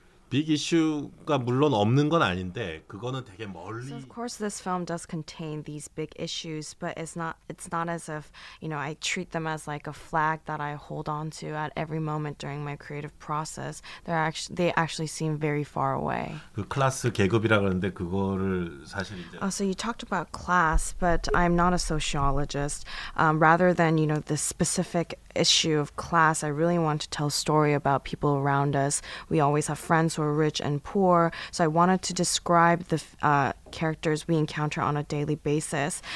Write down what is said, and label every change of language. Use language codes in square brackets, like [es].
[ko] Big issue가 물론 없는 건 아닌데 그거는 되게 멀리. [en] So of course this film does contain these big issues, but it's not as if, I treat them as like a flag that I hold on to at every moment during my creative process. They actually seem very far away. [ko] 그 클래스 계급이라 그러는데 그거를 사실 이제 [en] So you talked about class, but I'm not a sociologist. Rather than, the specific issue of class, I really want to tell a story about people around us. We always have friends who are rich and poor, so I wanted to describe the characters we encounter on a daily basis.